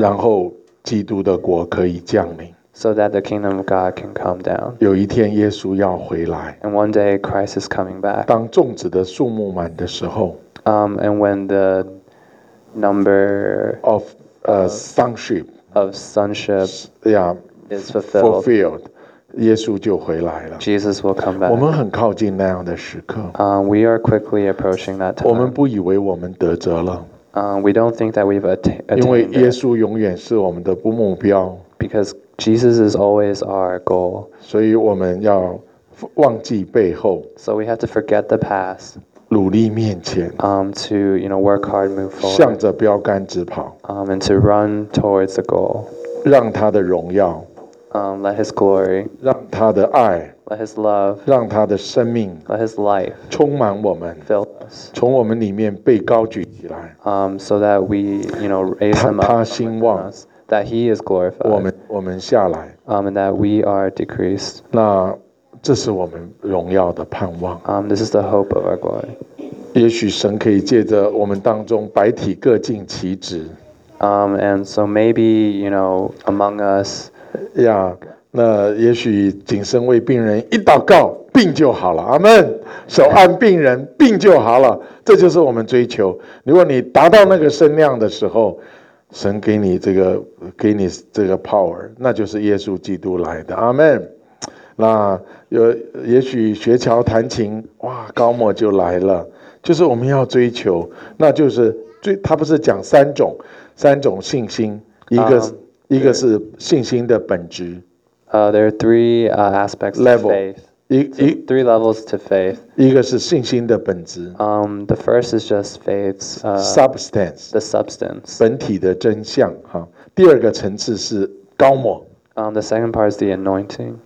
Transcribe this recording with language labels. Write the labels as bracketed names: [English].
[Chinese] 然后基督的国可以降临。 [English] So that the kingdom of God can come down. [Chinese] 有一天耶稣要回来。 [English] And one day Christ is coming back. [Chinese] 当众子的数目满的时候。 [English] And when the number of sonship of sonship yeah is fulfilled, fulfilled, [Chinese] 耶稣就回来了。 [English] Jesus will come back. [Chinese] 我们很靠近那样的时刻。 [English] We are quickly approaching that time. [Chinese] 我们不以为我们得着了。 [English] We don't think that we've attained. [Chinese] 因为耶稣永远是我们的目标。 [English] Because Jesus is always our goal. [Chinese] 所以我们要忘记背后。 [English] So we have to forget the past. [Chinese] 努力面前。 [English] To, you know, work hard, move forward. [Chinese] 向着标杆直跑。 [English] And to run towards the goal. [Chinese] 让他的荣耀。 [English] Let his glory. [Chinese] 让他的爱。 [English] Let his love. [Chinese] 让他的生命。 [English] Let his life. [Chinese] 充满我们。 [English] Fill us. [Chinese] 从我们里面被高举起来。 [English] So that we, you know, raise him up. [Chinese] 他兴旺。 [English] That he is glorified. [Chinese] 我们下来。 [English] And that we are decreased. [Chinese] 那这是我们荣耀的盼望。 [English] This is the hope of our glory. [Chinese] 也许神可以借着我们当中百体各尽其职。 [English] And so maybe, you know, among us. [Chinese] Yeah, 那也许谨慎为病人一祷告，病就好了。 Amen. 手按病人，病就好了。这就是我们追求。如果你达到那个声量的时候。神给你这个，给你这个 power， 那就是耶稣基督来的。阿门。那有也许学桥弹琴，哇，高莫就来了。就是我们要追求，那就是最他不是讲三种信心，一个是信心的本质。 [English] There are three aspects of faith. Three levels to faith. [Chinese] 一个是信心的本质。 [English] The first is just faith's substance. The substance. [Chinese] 本体的真相哈。第二个层次是高抹。 [English] The second part is the anointing.